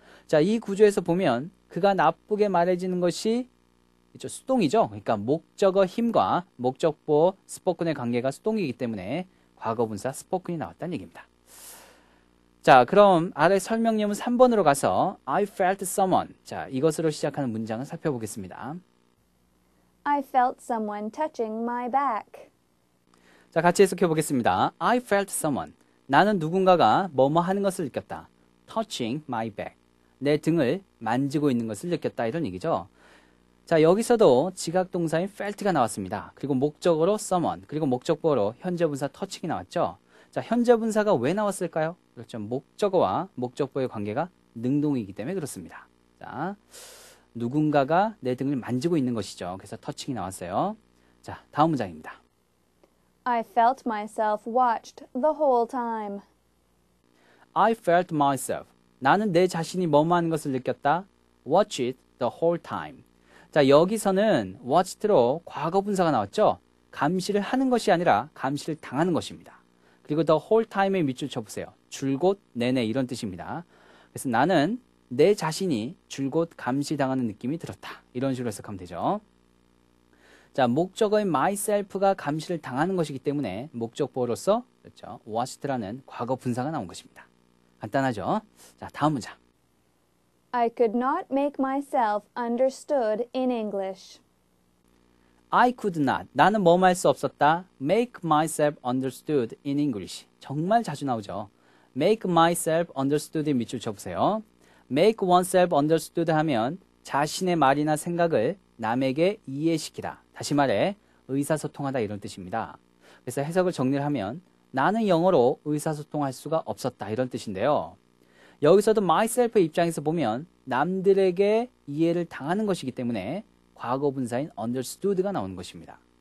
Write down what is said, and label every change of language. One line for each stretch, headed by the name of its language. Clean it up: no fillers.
Korean: 자, 이 구조에서 보면 그가 나쁘게 말해지는 것이 그렇죠, 수동이죠. 그러니까 목적어 힘과 목적보 스포큰의 관계가 수동이기 때문에 과거분사 스포큰이 나왔다는 얘기입니다. 자, 그럼 아래 설명념은 3번으로 가서
English: I felt someone.
Korean: 자, 이것으로 시작하는 문장을 살펴보겠습니다.
English: I felt someone touching my back.
Korean: 자, 같이 해석해 보겠습니다.
English: I felt someone.
Korean: 나는 누군가가 뭐뭐 하는 것을 느꼈다.
English: Touching my back.
Korean: 내 등을 만지고 있는 것을 느꼈다. 이런 얘기죠. 자, 여기서도 지각동사인 felt가 나왔습니다. 그리고 목적으로 someone, 그리고 목적보로 현재분사 touching이 나왔죠. 자, 현재분사가 왜 나왔을까요? 그렇죠. 목적어와 목적보의 관계가 능동이기 때문에 그렇습니다. 자, 누군가가 내 등을 만지고 있는 것이죠. 그래서 touching이 나왔어요. 자, 다음 문장입니다.
English: I felt myself watched the whole time. I felt myself.
Korean: 나는 내 자신이 뭐뭐 하는 것을 느꼈다.
English: Watch it the whole time.
Korean: 자, 여기서는 watched로 과거분사가 나왔죠. 감시를 하는 것이 아니라 감시를 당하는 것입니다. 그리고
English: the whole time
Korean: 의 밑줄 쳐보세요. 줄곧 내내 이런 뜻입니다. 그래서 나는 내 자신이 줄곧 감시당하는 느낌이 들었다. 이런 식으로 해석하면 되죠. 자, 목적어인 myself가 감시를 당하는 것이기 때문에 목적보로서 그렇죠? watched라는 과거분사가 나온 것입니다. 간단하죠? 자, 다음 문장.
English: I could not make myself understood in English. I could not.
Korean: 나는 뭐 할 수 없었다.
English: Make myself understood in English.
Korean: 정말 자주 나오죠.
English: Make myself understood
Korean: 밑줄 쳐보세요.
English: Make oneself understood
Korean: 하면 자신의 말이나 생각을 남에게 이해시키다. 다시 말해 의사소통하다 이런 뜻입니다. 그래서 해석을 정리를 하면 나는 영어로 의사소통할 수가 없었다 이런 뜻인데요. 여기서도 myself의 입장에서 보면 남들에게 이해를 당하는 것이기 때문에 과거분사인 understood가 나오는 것입니다.